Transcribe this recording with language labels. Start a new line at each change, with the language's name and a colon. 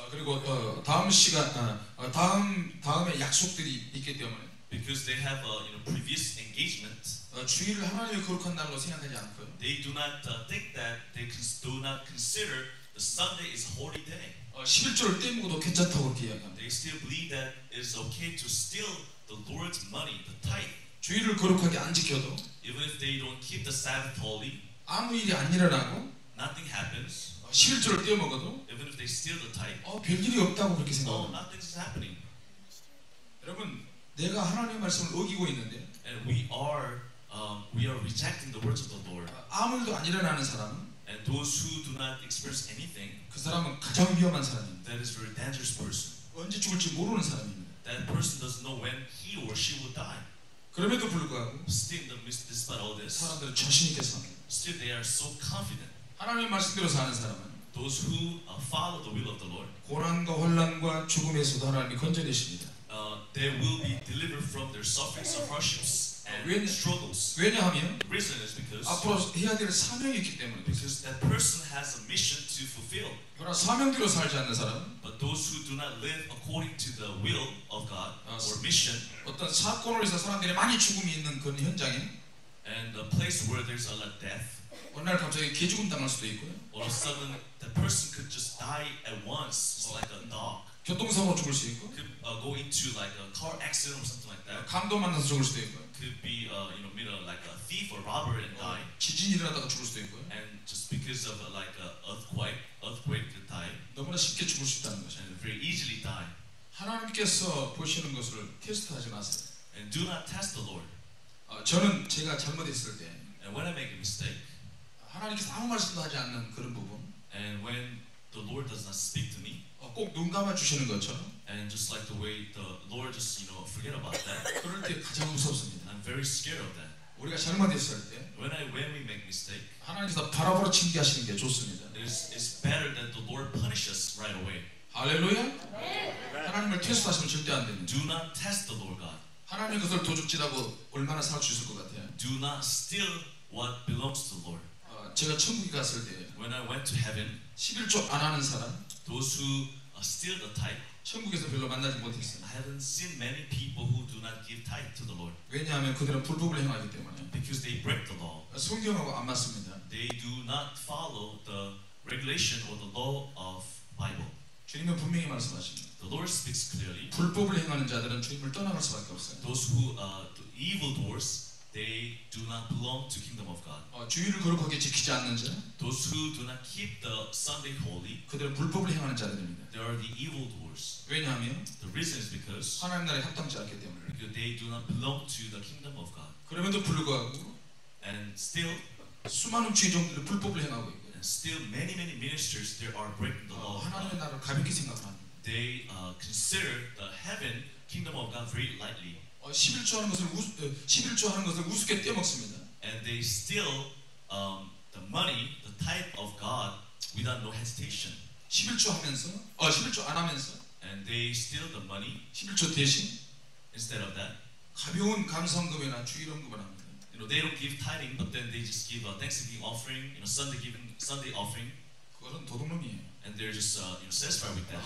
Korean: 그리고 다음 시간, 다음에 약속들이 있기 때문에,
English: because they have a you know previous engagement.
Korean: 주일을 하나님의 거룩한 날로 생각하지 않고요.
English: They do not think that they do not consider the Sunday is holy day.
Korean: 십일조를 떼먹어도 괜찮다고 그렇게 이야기합니다.
English: They still believe that it's okay to steal the Lord's money, the tithe.
Korean: 주일을 거룩하게 안 지켜도,
English: even if they don't keep the Sabbath holy,
Korean: 아무 일이 안 일어나고,
English: nothing happens.
Korean: 십일조를 떼먹어도,
English: even if they steal the tithe,
Korean: 별일이 없다고 그렇게 생각합니다.
English: Oh, nothing is happening.
Korean: 여러분, 내가 하나님의 말씀을 어기고 있는데,
English: and we are rejecting the words of the Lord.
Korean: 아무 일도 안 일어나는 사람은,
English: and those who do not experience anything,
Korean: 그 사람은 가장 위험한 사람입니다.
English: That is a very dangerous person.
Korean: 언제 죽을지 모르는 사람입니다.
English: That person doesn't know when he or she will die.
Korean: 그럼에도 불구하고
English: still the midst despite all this
Korean: 사람들은 자신 있게 사는
English: still they are so confident
Korean: 하나님의 말씀대로 사는 사람은
English: those who follow the will of the Lord
Korean: 고난과 혼란과 죽음에서도 하나님이 건져내십니다.
English: They will be delivered from their sufferings and hardships and struggles.
Korean: 왜냐하면
English: reason is because
Korean: 앞으로 해야 될 사명이 있기 때문에
English: because that person has a mission to fulfill.
Korean: 그러나 사명대로 살지 않는 사람
English: but those who do not live according to the will of God or mission
Korean: 어떤 사건으로 해서 사람들이 많이 죽음이 있는 그런 현장에
English: and a place where there's a lot of death
Korean: 어느 날 갑자기 개죽음 당할 수도 있고요
English: or a sudden the person could just die at once like a dog
Korean: 교통사고 죽을 수 있고
English: could go into like a car accident or something like that
Korean: 강도 만나서 죽을 수도 있고
English: could be you know meet a like a thief or robber and die
Korean: 지진이 일어나다가 죽을 수도 있고
English: and just because of like a earthquake could die
Korean: 너무나 쉽게 죽을 수 있다는 것이
English: and very easily die
Korean: 하나님께서 보시는 것을 테스트하지 마세요
English: and do not test the Lord
Korean: 저는 제가 잘못했을 때
English: and when I make a mistake
Korean: 하나님께서 아무 말씀도 하지 않는 그런 부분
English: and when the Lord does not speak to me
Korean: 꼭 눈 감아 주시는 것처럼
English: and just like the way the Lord just you know forget about that
Korean: 그럴 때 가장 무섭습니다
English: I'm very scared of that
Korean: 우리가 잘못했을 때
English: when we make mistake
Korean: 하나님께서 바로바로 징계하시는 게 좋습니다
English: it's better that the Lord punish us right away
Korean: 할렐루야 하나님을 테스트하시면 절대 안 됩니다
English: do not test the Lord God
Korean: 하나님 그것을 도둑질하고 얼마나 살 주실 것 같아요
English: do not steal what belongs to the Lord
Korean: 제가 천국에 갔을 때
English: when I went to heaven
Korean: 십일조 안 하는 사람
English: Those who steal the tithe.
Korean: 천국에서 별로 만나지 못했어요.
English: I haven't seen many people who do not give tithe to the Lord.
Korean: 왜냐하면 그들은 불법을 행하기 때문에.
English: Because they break the law.
Korean: 성경하고 안 맞습니다.
English: They do not follow the regulation or the law of Bible.
Korean: 주님은 분명히 말씀하십니다.
English: The Lord speaks clearly.
Korean: 불법을 행하는 자들은 주님을 떠나갈 수밖에 없어요.
English: Those who the evil doers. They do not belong to kingdom of God.
Korean: 주일을 거룩하게 지키지 않는 자.
English: Those who do not keep the Sunday holy.
Korean: 그들은 불법을 행하는 자들입니다.
English: They are the evil doers.
Korean: 왜냐하면
English: the reason is because
Korean: 하나님 나라에 합당치 않기 때문에.
English: Because they do not belong to the kingdom of God.
Korean: 그럼에도 불구하고
English: and still
Korean: 수많은 죄종들은 불법을 행하고 있고.
English: And still many ministers there are breaking the law.
Korean: 하나님 나라를 가볍게 생각하는.
English: They consider the heaven kingdom of God very lightly.
Korean: 11조 하는 것을 우습게 떼먹습니다.
English: And they steal the money, the tithe of God without no hesitation.
Korean: 11조 하면서 11조 안 하면서
English: and they steal the money
Korean: 11조 대신
English: instead of that
Korean: 가벼운 감사헌금이나 주일헌금을 합니다.
English: You know, they don't give tithing but then they just give a thanksgiving offering, you know, Sunday offering.
Korean: 그건 도둑놈이에요.
English: And they're just you know, satisfied with that.